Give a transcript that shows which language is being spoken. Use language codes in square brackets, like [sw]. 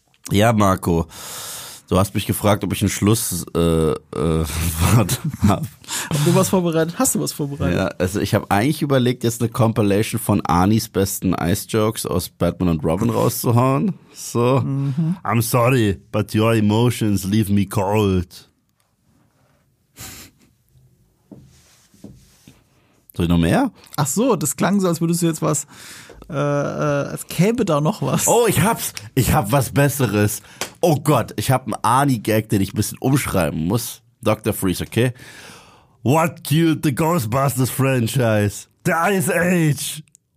[de] Ja, Marco, du hast mich gefragt, ob ich einen Schluss habe. Du was vorbereitet? Hast du was vorbereitet? Ja, also ich habe eigentlich überlegt, jetzt eine Compilation von Arnis besten Ice-Jokes aus Batman und Robin rauszuhauen. [en] So, I'm sorry, but your emotions leave me cold. [de] Soll ich noch mehr? Ach so, das klang so, als würdest du jetzt was, es käme da noch was. Oh, ich hab's. Ich hab was Besseres. Oh Gott, ich hab einen Arnie-Gag, den ich ein bisschen umschreiben muss. [en] Dr. Freeze, okay? What killed the Ghostbusters franchise? The Ice Age.